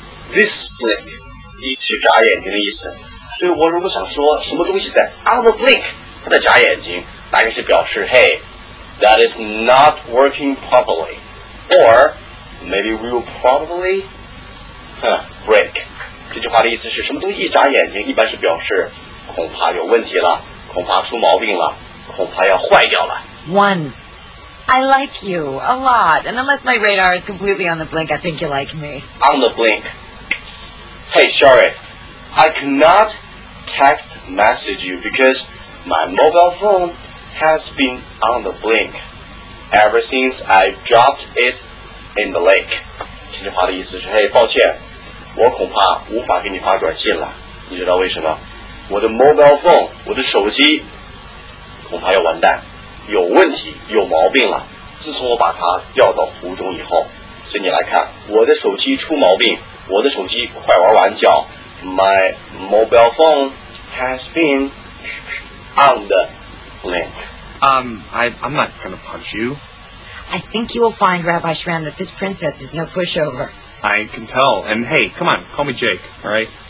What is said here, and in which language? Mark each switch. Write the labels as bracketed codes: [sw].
[en] This blink [zh] 意思是眨眼睛的意思。所以我如果想说什么东西在 [en] on the blink, [zh] 它在眨眼睛，大概是表示 [en] Hey, that is not working properly. Or maybe we will probably break. [zh] 这句话的意思是什么东西一眨眼睛，一般是表示恐怕有问题了，恐怕出毛病了，恐怕要坏掉了。 [en] One, I like you a lot, and unless my radar is completely on the blink, I think you like me. On the blink. Hey, sorry, I cannot text message you because my mobile phone has been on the blink ever since I dropped it in the lake. [zh] 这句话的意思是，嘿，抱歉，我恐怕无法给你发短信了，你知道为什么？我的 mobile phone, 我的手机恐怕要完蛋，有问题，有毛病了，自从我把它掉到湖中以后。所以你来看，我的手机出毛病，我的手机快玩完叫 [en] my mobile phone has been on the link. I'm not gonna punch you. I think you will find, Rabbi Schramm, that this princess is no pushover. I can tell. And hey, come on, call me Jake, all right?